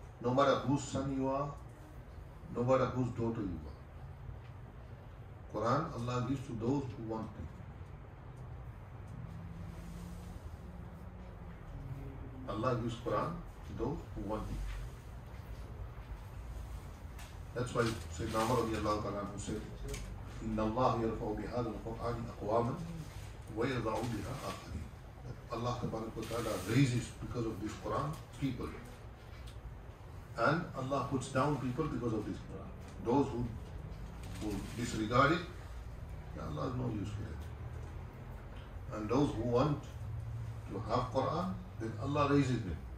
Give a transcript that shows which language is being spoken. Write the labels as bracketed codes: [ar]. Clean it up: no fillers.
[en] No matter whose son you are, no matter whose daughter you are. Quran, Allah gives to those who want it. Allah gives Quran to those who want it. That's why Sayyidina Umar radiallahu ta'ala anhu said, [ar] إِنَّ اللَّهُ يَرْفَعُ بِهَذَا الْقُرْآنِ أَقْوَامًا وَيَضَعُ بِهَا آخَرِينَ. [en] That Allah Ta'ala raises because of this Quran people. And Allah puts down people because of this Quran. Those who disregard it, Allah has no use for it. And those who want to have Quran, then Allah raises them.